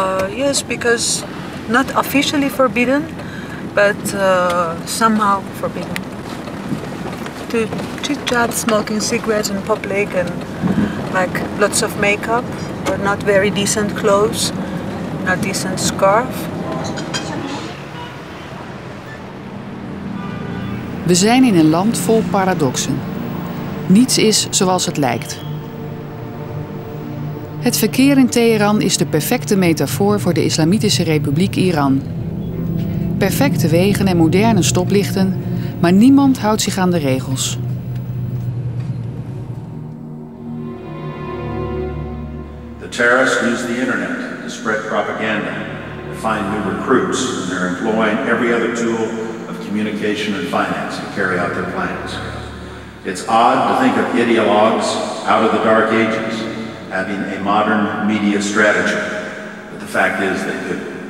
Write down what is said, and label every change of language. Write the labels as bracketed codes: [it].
[en] Yes, because not officially forbidden, but somehow forbidden. To chit-chat, smoking cigarettes in public and like lots of makeup, but not very decent clothes, not decent scarf. [nl] We zijn in een land vol paradoxen. Niets is zoals het lijkt. Het verkeer in Teheran is de perfecte metafoor voor de Islamitische Republiek Iran. Perfecte wegen en moderne stoplichten, maar niemand houdt zich aan de regels. [en] terrorists use the internet to spread propaganda, to find new recruits, and they're employing every other tool of communication and finance to carry out their plans. It's odd to think of ideologues out of the dark ages having a modern media strategy, but the fact is they do.